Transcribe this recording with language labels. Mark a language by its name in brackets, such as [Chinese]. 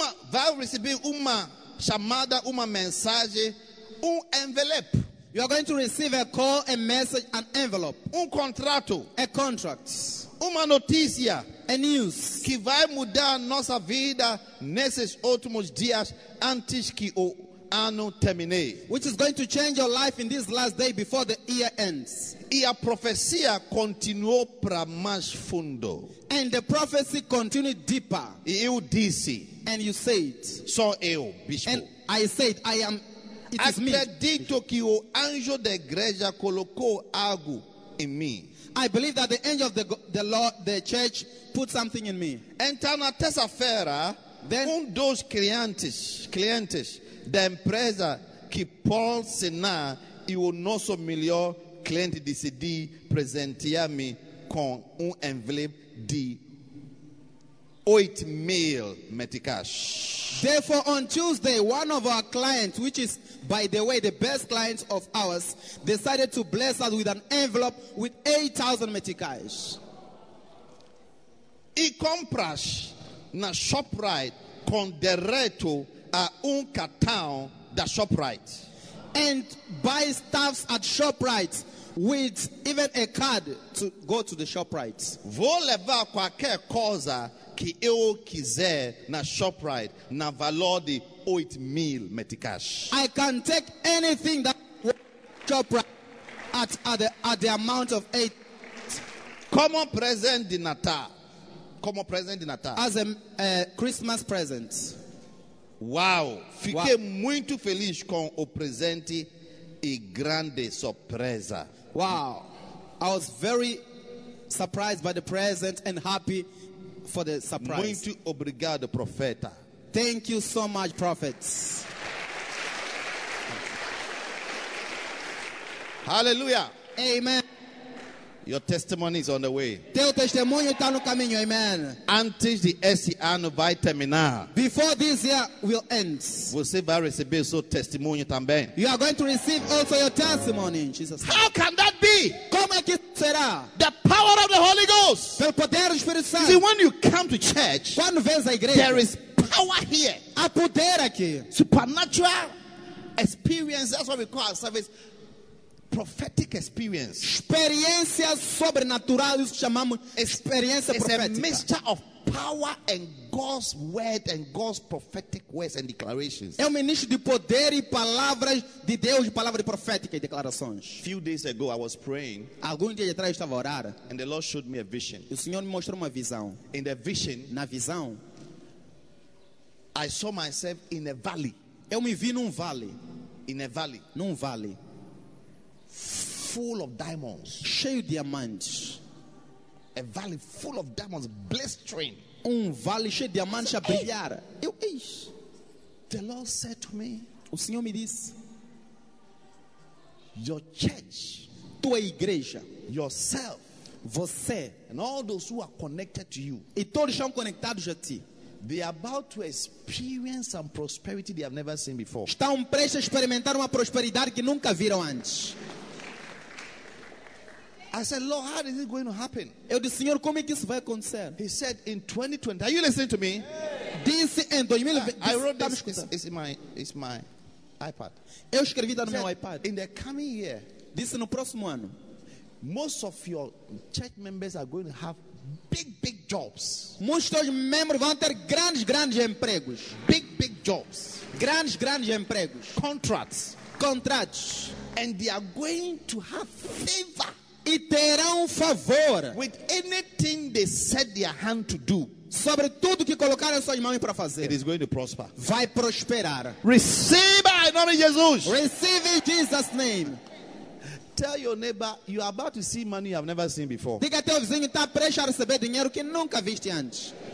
[Portuguese] Vai receber uma chamada, uma mensagem, envelope. [English] You are going to receive a call, a message, an envelope. [Portuguese] Contrato. [English] A contract. [Portuguese] Notícia. [English] A news. [Portuguese] Que vai mudar nossa vida nesses últimos dias antes que o ano termine. [English] Which is going to change your life in this last day before the year ends. [Portuguese] E a profecia continuou para mais fundo. [English] And the prophecy continued deeper. [Portuguese] E eu disse. [English] And you say it. [Portuguese] So eu, bispo. [English] And I said, I am. It is me. [Portuguese] Acredito que o anjo da igreja colocou algo em mim. [English] I believe that the angel of the church put something in me. [Portuguese] Então na terça-feira, dos clientes da empresa que Paul Sena e o nosso melhor cliente decidi presentear-me com envelope de 8,000 meticash. [English] Therefore, on Tuesday, one of our clients, which is, by the way, the best client of ours, decided to bless us with an envelope with 8,000 meticash. [Portuguese] E compras na ShopRite com direto a cartão da ShopRite. [English] And buy stuffs at ShopRite with even a card to go to the ShopRite. [Portuguese] Vou levar qualquer coisa que eu quiser na ShopRite na valor de 8,000 meticash. [English] I can take anything that ShopRite at the amount of 8. [Portuguese] Como presente de Natal. Como presente de Natal. [English] As a Christmas present. Wow. [Portuguese] Fiquei muito feliz com o presente e grande surpresa. [English] Wow. I was very surprised by the present and happy for the surprise. [Portuguese] Muito obrigado, profeta. [English] Thank you so much, prophets. Hallelujah. Amen. Your testimony is on the way. [Portuguese] Teu testemunho está no caminho. [English] Amen. [Portuguese] Antes de esse ano vai terminar. [English] Before this year will end. [Portuguese] Você vai receber seu testemunho também. [English] You are going to receive also your testimony in Jesus' name. How can that be? [Portuguese] Como é que será? [English] The power of the Holy Ghost. [Portuguese] Pelo poder do Espírito Santo. [English] See, when you come to church, [Portuguese] quando vens à igreja, [English] there is power here. [Portuguese] Há poder aqui. [English] Supernatural experience. That's what we call our service. Prophetic experience. [Portuguese] Experiência sobrenatural, isso chamamos experiência profética. [English] It's a mixture of power and God's word and God's prophetic words and declarations. [Portuguese] É um ministro de poder e palavras de Deus, de palavras proféticas e declarações. [English] Few days ago, I was praying. [Portuguese] Alguns dias atrás estava a orar. [English] And the Lord showed me a vision. [Portuguese] O Senhor me mostrou uma visão. [English] In the vision, [Portuguese] na visão, [English] I saw myself in a valley. [Portuguese] Eu me vi num vale. [English] In a valley. [Portuguese] Num vale. [English] Full of diamonds. [Portuguese] Cheio de diamantes. [English] A valley full of diamonds, blistering. [Portuguese] Vale cheio de diamantes a brilhar. [English] The Lord said to me, [Portuguese] o Senhor me disse, [English] your church, [Portuguese] tua igreja, [English] yourself, [Portuguese] você, [English] and all those who are connected to you, [Portuguese] e todos estão conectados a ti, [English] they are about to experience some prosperity they have never seen before. [Portuguese] Estão prestes a experimentar uma prosperidade que nunca viram antes. [English] I said, Lord, how is it going to happen? [Portuguese] Eu disse, Senhor, como é que isso vai acontecer? [English] He said, in 2020, are you listening to me? [Portuguese] disse em 2020. [English] I wrote this. It's my iPad. [Portuguese] Eu escrevi no meu iPad. [English] In the coming year, [Portuguese] disse no próximo ano, [English] most of your church members are going to have big jobs. [Portuguese] Muitos membros vão ter grandes empregos. [English] Big jobs. [Portuguese] Grandes empregos. Contratos. [English] And they are going to have favor. [Portuguese] E terão favor [English] with anything they set their hand to do. [Portuguese] Sobre tudo que colocaram suas mãos para fazer. [English] It is going to prosper. [Portuguese] Vai prosperar. [English] Receive in the name of Jesus. Receive in Jesus' name. Tell your neighbor, you are about to see money you have never seen before. [Portuguese] Diga ao teu vizinho, está prestes a receber dinheiro que nunca viste antes.